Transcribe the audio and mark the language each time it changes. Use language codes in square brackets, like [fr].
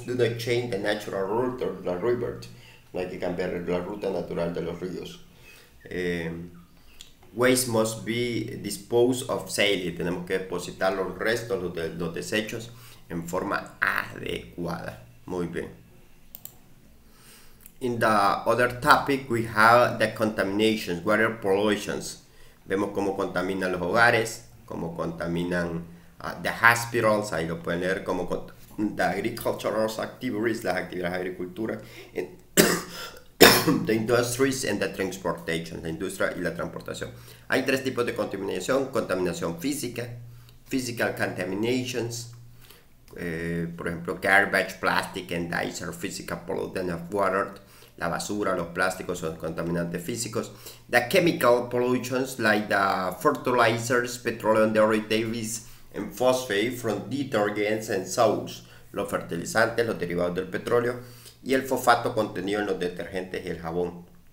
[en] Do not change the natural route of the river, [es] no hay que cambiar la ruta natural de los ríos. [en] Waste must be disposed of safely. [es] Tenemos que depositar los restos, los desechos, en forma adecuada. Muy bien. [en] In the other topic, we have the contaminations, water pollutions. [es] Vemos cómo contaminan los hogares, cómo contaminan [en] the hospitals, [es] ahí lo pueden leer, como con [en] the agricultural activities, [es] las actividades de agricultura, [en] the industries and the transportation, [es] la industria y la transportación. Hay tres tipos de contaminación: contaminación física, [en] physical contaminations, [es] por ejemplo, [en] garbage, plastic, and dyes are physical pollutants of water. [es] La basura, los plásticos son contaminantes físicos. [en] The chemical pollutants, like the fertilizers, petroleum derivatives, and phosphate from detergents and soaps. [es] Los fertilizantes, los derivados del petróleo. Y el fosfato contenido en los detergentes y el jabón.